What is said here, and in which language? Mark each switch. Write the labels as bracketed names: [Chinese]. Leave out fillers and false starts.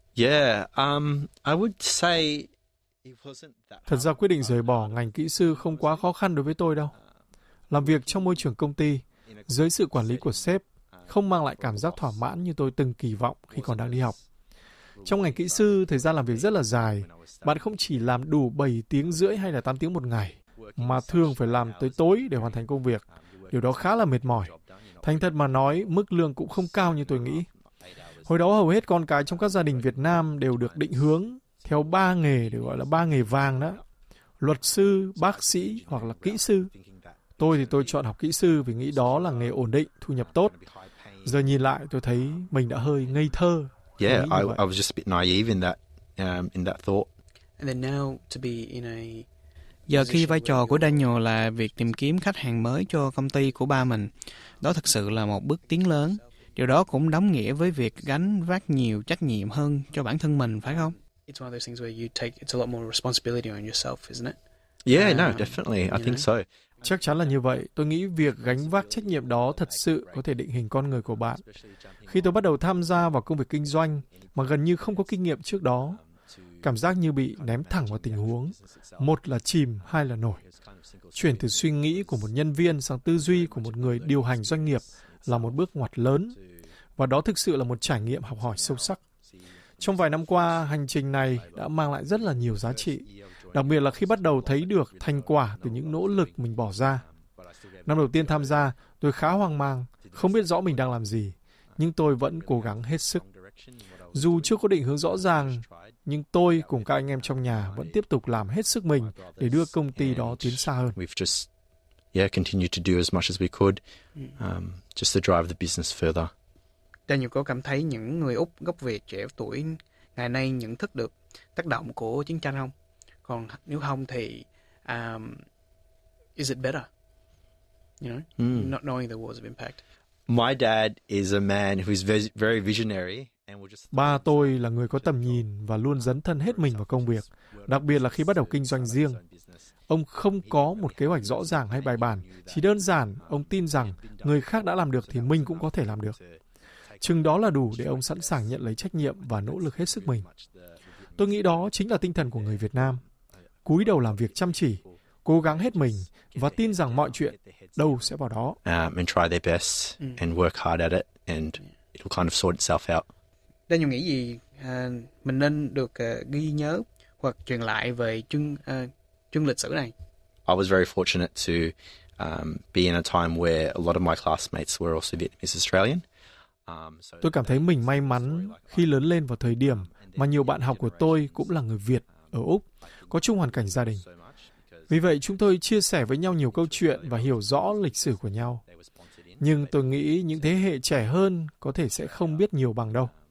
[English] I would say it wasn't that hard. [Vietnamese] Thật ra quyết định rời bỏ ngành kỹ sư không quá khó khăn đối với tôi đâu. Làm việc trong môi trường công ty dưới sự quản lý của sếp không mang lại cảm giác thỏa mãn như tôi từng kỳ vọng khi còn đang đi học. Trong ngành kỹ sư, thời gian làm việc rất là dài. Bạn không chỉ làm đủ 7 tiếng rưỡi hay là 8 tiếng một ngày, mà thường phải làm tới tối để hoàn thành công việc. Điều đó khá là mệt mỏi. Thành thật mà nói, mức lương cũng không cao như tôi nghĩ. Hồi đó hầu hết con cái trong các gia đình Việt Nam đều được định hướng theo 3 nghề, được gọi là 3 nghề vàng đó. Luật sư, bác sĩ hoặc là kỹ sư. Tôi thì tôi chọn học kỹ sư vì nghĩ đó là nghề ổn định, thu nhập tốt. Giờ nhìn lại, tôi thấy mình đã hơi ngây thơ. [English] I was just a bit naive in that thought. And then now to be in a. [Vietnamese] Giờ khi vai trò của Daniel là việc tìm kiếm khách hàng mới cho công ty của ba mình, đó thực sự là một bước tiến lớn. Điều đó cũng đồng nghĩa với việc gánh vác nhiều trách nhiệm hơn cho bản thân mình, phải không? [English] It's one of those things where you take it's a lot more responsibility on yourself, isn't it? Yeah, no, definitely. I think so. [Vietnamese] Chắc chắn là như vậy. Tôi nghĩ việc gánh vác trách nhiệm đó thật sự có thể định hình con người của bạn. Khi tôi bắt đầu tham gia vào công việc kinh doanh mà gần như không có kinh nghiệm trước đó, cảm giác như bị ném thẳng vào tình huống. Một là chìm, hai là nổi. Chuyển từ suy nghĩ của một nhân viên sang tư duy của một người điều hành doanh nghiệp là một bước ngoặt lớn. Và đó thực sự là một trải nghiệm học hỏi sâu sắc. Trong vài năm qua, hành trình này đã mang lại rất là nhiều giá trị. Đặc biệt là khi bắt đầu thấy được thành quả từ những nỗ lực mình bỏ ra. Năm đầu tiên tham gia, tôi khá hoang mang, không biết rõ mình đang làm gì, nhưng tôi vẫn cố gắng hết sức. Dù chưa có định hướng rõ ràng, nhưng tôi cùng các anh em trong nhà vẫn tiếp tục làm hết sức mình để đưa công ty đó tiến xa hơn. [English] We've just, continue to do as much as we could, just to drive the business further. [Vietnamese] Daniel có cảm thấy những người Úc gốc Việt trẻ tuổi ngày nay nhận thức được tác động của chiến tranh không? Còn nếu không thì [English] is it better? You know, not knowing the wars of impact. My dad is a man who is very visionary and will just. [Vietnamese] Ba tôi là người có tầm nhìn và luôn dấn thân hết mình vào công việc, đặc biệt là khi bắt đầu kinh doanh riêng. Ông không có một kế hoạch rõ ràng hay bài bản, chỉ đơn giản ông tin rằng người khác đã làm được thì mình cũng có thể làm được. Chừng đó là đủ để ông sẵn sàng nhận lấy trách nhiệm và nỗ lực hết sức mình. Tôi nghĩ đó chính là tinh thần của người Việt Nam. Cúi đầu làm việc chăm chỉ, cố gắng hết mình và tin rằng mọi chuyện đâu sẽ vào đó. [English] And try their best and work hard at it and it'll kind of sort itself out. [Vietnamese] Daniel nghĩ gì mình nên được ghi nhớ hoặc truyền lại về chương lịch sử này? [English] I was very fortunate to be in a time where a lot of my classmates were also Vietnamese Australian. [Vietnamese] Tôi cảm thấy mình may mắn khi lớn lên vào thời điểm mà nhiều bạn học của tôi cũng là người Việt ở Úc, có chung hoàn cảnh gia đình. Vì vậy, chúng tôi chia sẻ với nhau nhiều câu chuyện và hiểu rõ lịch sử của nhau. Nhưng tôi nghĩ những thế hệ trẻ hơn có thể sẽ không biết nhiều bằng đâu.